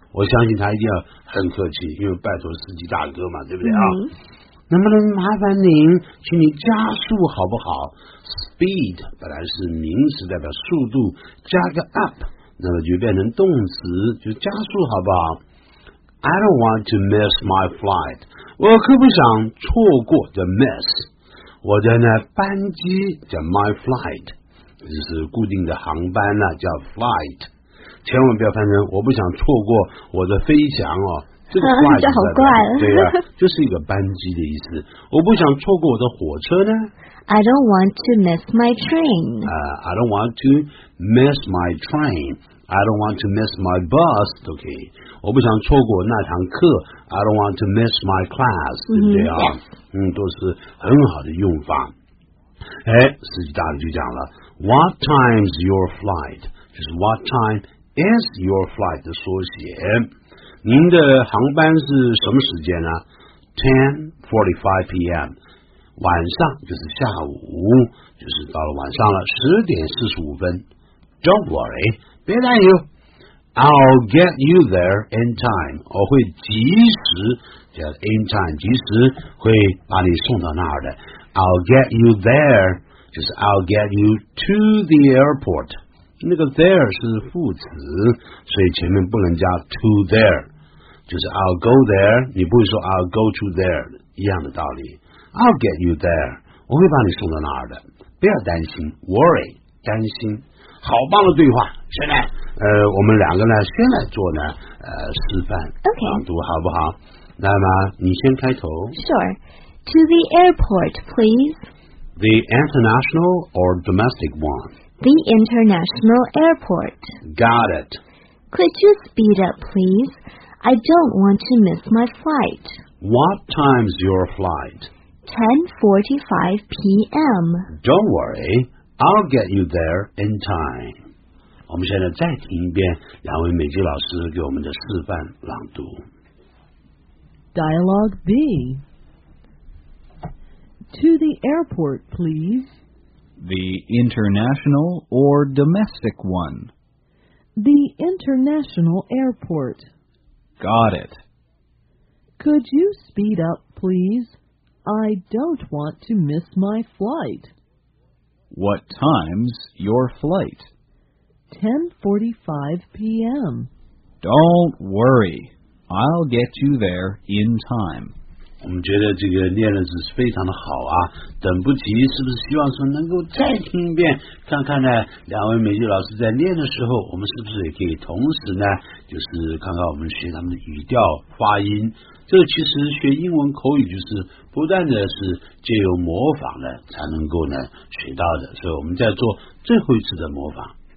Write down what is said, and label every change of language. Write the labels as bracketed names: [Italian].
[Chinese] 我相信她一定要很客气，因为拜托司机大哥嘛，对不对啊？能不能麻烦您，请你加速好不好 ？Speed 本来是名词，代表速度，加个 up， 那么就变成动词，就加速好不好？ [English] I don't want to miss my flight. [Chinese] 我可不想错过 [English] the miss. [Chinese] 我的呢班机叫 [English] my flight， [Chinese] 就是固定的航班呢、啊、叫 flight。千万不要翻成我不想错过我的飞翔哦。这个 flight 这好怪，对呀、啊，就是一个班机的意思。我不想错过我的火车呢。 [English] I don't want to miss my train. I don't want to miss my train. I don't want to miss my bus. Okay. [Chinese] 我不想错过那堂课 [English] I don't want to miss my class [Chinese] 对不对啊、 [English] yes. [Chinese] 都是很好的用法哎，司机大哥就讲了 [English] What time is your flight [Chinese] 就是 What time is your flight 的缩写您的航班是什么时间呢 10:45 p.m. 晚上就是下午就是到了晚上了10:45 [English] Don't worry [Chinese] 别担忧 [English] I'll get you there in time. [Chinese] 我会及时，叫 in time， 及时会把你送到那儿的。 [English] I'll get you there， [Chinese] 就是 [English] I'll get you to the airport。 [Chinese] 那个 there 是副词，所以前面不能加 to there， 就是 [English] I'll go there。 [Chinese] 你不会说 [English] I'll go to there， [Chinese] 一样的道理。 [English] I'll get you there， [Chinese] 我会把你送到那儿的。不要担心 ，worry， 担心。好棒的对话，现在。我们两个呢，先来做呢，示范朗读好不好？那么你先开头。 [English] Sure. To the airport, please. The international or domestic one? The international airport. Got it. Could you speed up, please? I don't want to miss my flight. What time's your flight? 10:45 p.m. Don't worry, I'll get you there in time. [Chinese] 我们现在再听一遍两位美籍老师给我们的示范朗读。 [English] Dialogue B. To the airport, please. The international or domestic one? The international airport. Got it. Could you speed up, please? I don't want to miss my flight. What time's your flight? 10:45 p.m. Don't worry. I'll get you there in time. [Chinese] 我们觉得这个念的是非常的好啊，等不及，是不是希望说能够再听一遍，看看呢两位美籍老师在念的时候，我们是不是也可以同时呢，就是看看我们学他们的语调发音。这个其实学英文口语就是不断的是借由模仿呢才能够呢学到的，所以我们在做最后一次的模仿。